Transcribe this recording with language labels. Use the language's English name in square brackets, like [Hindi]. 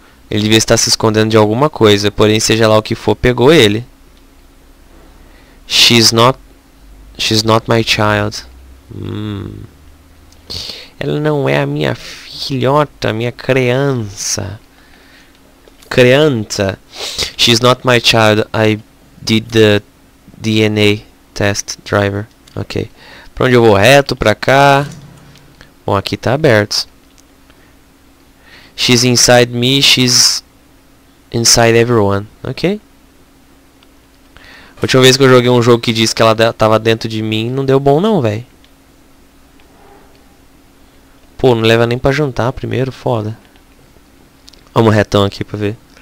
[Portuguese] Ele devia estar se escondendo de alguma coisa, porém, seja lá o que for, pegou ele. [English] She's not my child. [Portuguese] Ela não é a minha filhota, minha criança. Criança. [English] She's not my child. I did the DNA test, driver. [Portuguese] Ok. Pra onde eu vou? Reto, pra cá. Bom, aqui tá aberto. [English] She's inside me, she's inside everyone. Ok? [Portuguese] Última vez que eu joguei um jogo que disse que ela tava dentro de mim, não deu bom não, velho. Pô, não leva nem pra jantar primeiro, foda. Vamos retão aqui pra ver.